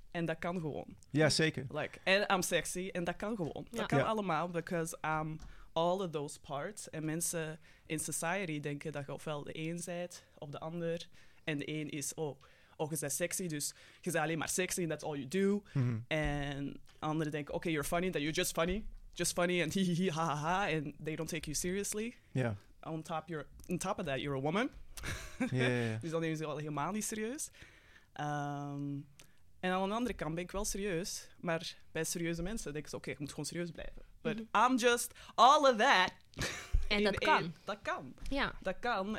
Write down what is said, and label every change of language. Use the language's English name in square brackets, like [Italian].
[Dutch] En dat kan gewoon. Ja, zeker. [English] Like, and I'm sexy, [Dutch] en dat kan gewoon. Ja. Dat kan allemaal, [English] because I'm all of those parts. [Dutch] En mensen in society denken dat je ofwel de een bent of de ander. En de een is, je bent sexy, dus je bent alleen maar sexy, [English] and that's all you do. Mm-hmm. [Dutch] En anderen denken, [English] okay, you're funny, that you're just funny. Just funny, and hee-hee-hee, ha-ha-ha, and they don't take you seriously. Yeah. On top of that, you're a woman. Yeah. [Dutch] Dus dan nemen ze wel helemaal niet serieus. En aan de andere kant ben ik wel serieus, maar bij serieuze mensen denk ik, oké, ik moet gewoon serieus blijven. [English] But I'm just all of that. [Dutch] En dat kan. Dat kan. Ja. Dat kan.